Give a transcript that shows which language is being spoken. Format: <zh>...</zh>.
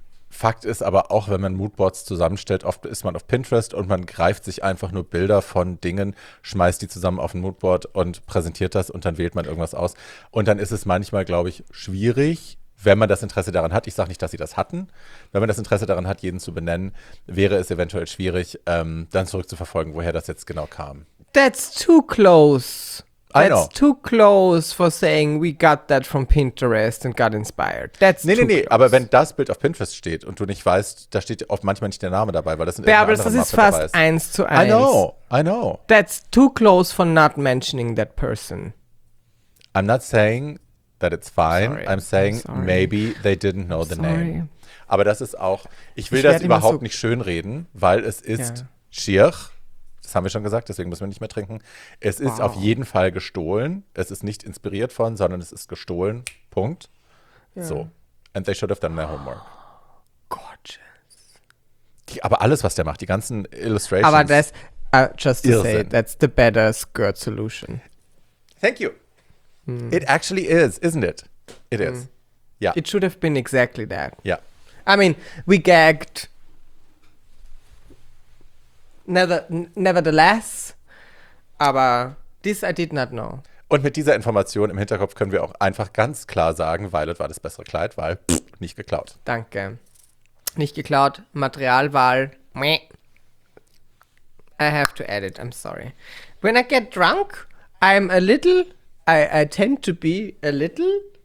<de>Fakt ist aber auch, wenn man Moodboards zusammenstellt, oft ist man auf Pinterest und man greift sich einfach nur Bilder von Dingen, schmeißt die zusammen auf ein Moodboard und präsentiert das und dann wählt man irgendwas aus. Und dann ist es manchmal, glaube ich, schwierig, wenn man das Interesse daran hat, ich sage nicht, dass sie das hatten, wenn man das Interesse daran hat, jeden zu benennen, wäre es eventuell schwierig, dann zurückzuverfolgen, woher das jetzt genau kam.</de> <en>That's too close. Too close for saying we got that from Pinterest and got inspired. Close.</en> <de>Aber wenn das Bild auf Pinterest steht und du nicht weißt, da steht oft manchmal nicht der Name dabei, weil das sind irgendwelche anderen Marke dabei. Bärbel, das ist fast 1:1.</de> <en>I know. That's too close for not mentioning that person. I'm not saying that it's fine. Sorry. I'm saying sorry. Maybe they didn't know the sorry. Name.</en> <de>Aber das ist auch, ich will das überhaupt nicht schönreden, weil es ist schier. Das haben wir schon gesagt, deswegen müssen wir nicht mehr trinken. Es ist auf jeden Fall gestohlen. Es ist nicht inspiriert von, sondern es ist gestohlen. Punkt. Yeah. So.</de> <en>And they should have done their homework. Gorgeous.</en> <de>Aber alles, was der macht, die ganzen Illustrations. Aber das,</de> <en>just to say, that's the better skirt solution. Thank you. It actually is, isn't it? It is. Yeah. It should have been exactly that. Yeah. I mean, we gagged. Nevertheless, aber this I did not know.</en> <de>Und mit dieser Information im Hinterkopf können wir auch einfach ganz klar sagen, Violet war das bessere Kleid, weil nicht geklaut. Danke. Nicht geklaut, Materialwahl.</de> <en>I have to add it, I'm sorry. When I get drunk, I'm a little, I tend to be a little.</en>